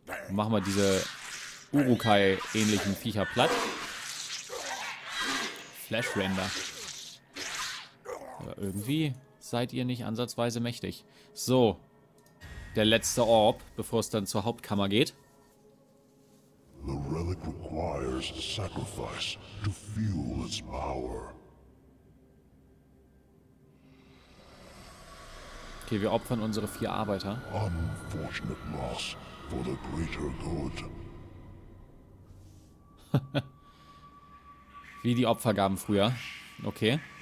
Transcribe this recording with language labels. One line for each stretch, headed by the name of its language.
German: Machen wir diese Urukai-ähnlichen Viecher platt. Flash Render. Aber irgendwie seid ihr nicht ansatzweise mächtig. So, der letzte Orb, bevor es dann zur Hauptkammer geht.
English: The relic requires a sacrifice to fuel its power.
German: Okay, wir opfern unsere vier Arbeiter.
English: Unfortunate loss for the greater good.
German: Wie die Opfergaben früher. Okay.